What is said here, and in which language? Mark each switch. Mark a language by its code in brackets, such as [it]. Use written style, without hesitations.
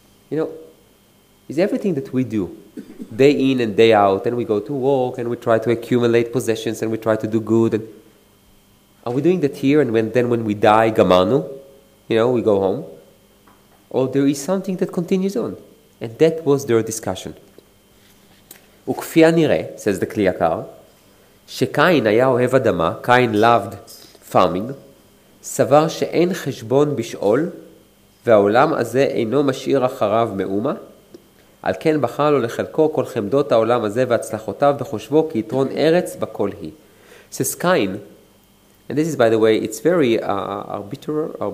[en] You know, is everything that we do, day in and day out, and we go to work, and we try to accumulate possessions, and we try to do good, and are we doing that here, and when we die, gamanu, you know, we go home? Or there is something that continues on? And that was their discussion. [he] וכפי הנראה, [en] says the Kli Yakar, [he] שקין היה אוהב אדמה, [en] Cain loved farming, [he] סבר שאין חשבון בשאול, והעולם הזה אינו משאיר אחריו מאומה, על כן בחר לו לחלקו כל חמדות העולם הזה והצלחותיו בחושבו כי יתרון ארץ בכל היא. [en] Says Cain, and this is by the way, it's very arbitrary.